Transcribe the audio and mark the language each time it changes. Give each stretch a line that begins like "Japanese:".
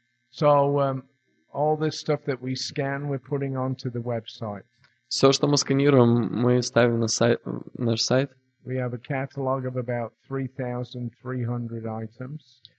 English: So all this stuff that we scan, we're putting onto the website.
Russian: Все, что мы сканируем, мы ставим на сайт, наш сайт.
English: We have a catalog of about 3,300 items.